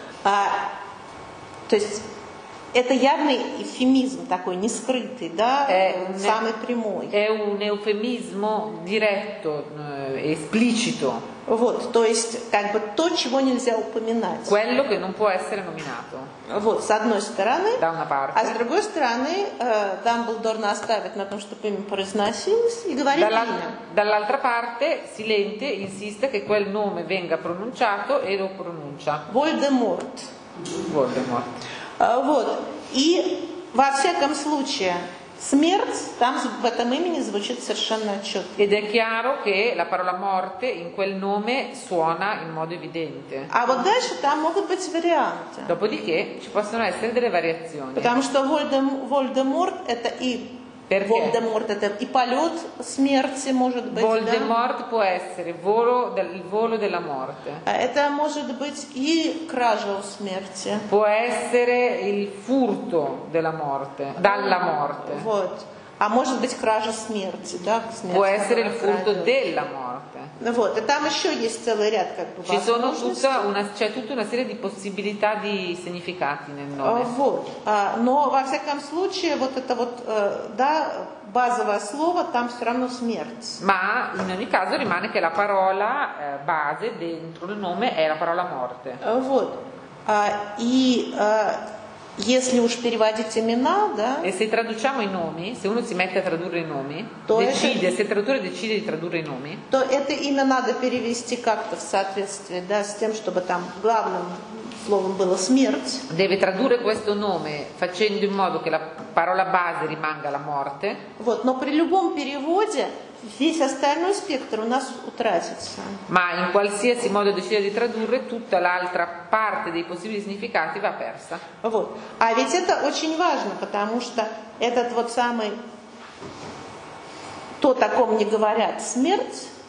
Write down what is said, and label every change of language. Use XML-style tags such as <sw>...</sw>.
<ru>То есть это явный эвфемизм такой, не скрытый, да, самый прямой.</ru> <it>È un eufemismo diretto, esplicito.</it> <ru>Вот, то есть как бы то, чего нельзя упоминать.</ru> <it>Quello che non può essere nominato.</it> <ru>Вот, с одной стороны.</ru> <it>Da una parte.</it> <ru>А с другой стороны, Дамблдор настаивает на том, чтобы имя произносилось и говорит имя.</ru> <it>Dall'altra parte, Silente insiste che quel nome venga pronunciato e lo pronuncia.</it> <ru>Voldemort. Вот. И во всяком случае смерть там в этом имени звучит совершенно отчетливо.</ru> <it>Ed è chiaro che la parola morte in quel nome suona in modo evidente.</it> <ru>А вот дальше там могут быть варианты.</ru> <it>Dopodiché ci possono essere delle variazioni.</it> <ru>Потому что Voldemort это и</ru> <it>Perché?</it> <ru>Voldemort это и полет смерти может быть. Voldemort да?</ru> <it>può essere volo il volo della morte.</it> <ru>Это может быть и кража у смерти.</ru> <it>Può essere il furto della morte, dalla morte.</it> <ru>Вот. А может быть кража смерти, да? Смерть,</ru> <it>può essere il furto della morte.</it> <ru>Вот. И там еще есть целый ряд как бы.</ru> <it>Ci sono tutta una, c'è tutta una serie di possibilità di significati nel nome.</it> <ru>Вот. Но во всяком случае вот это вот, да, базовое слово там все равно смерть.</ru> <it>Ma in ogni caso rimane che la parola base dentro il nome è la parola morte.</it> <ru>Вот. Если уж переводить имена, да?</ru> <it>E se traduciamo i nomi, se uno si mette a tradurre i nomi, decide, se il traduttore decide di tradurre i nomi,</it> <ru>то это имя надо перевести как-то в соответствии, да, с тем, чтобы там главным словом было смерть.</ru> <it>Deve tradurre questo nome facendo in modo che la parola base rimanga la morte.</it> <ru>Вот, но при любом переводе весь остальной спектр у нас утратится.</ru> <it>Ma in qualsiasi modo decide di tradurre, tutta l'altra parte dei possibili significati va persa.</it> <ru>Вот. А ведь это очень важно, потому что этот вот самый то, о ком не говорят, смерть.</ru>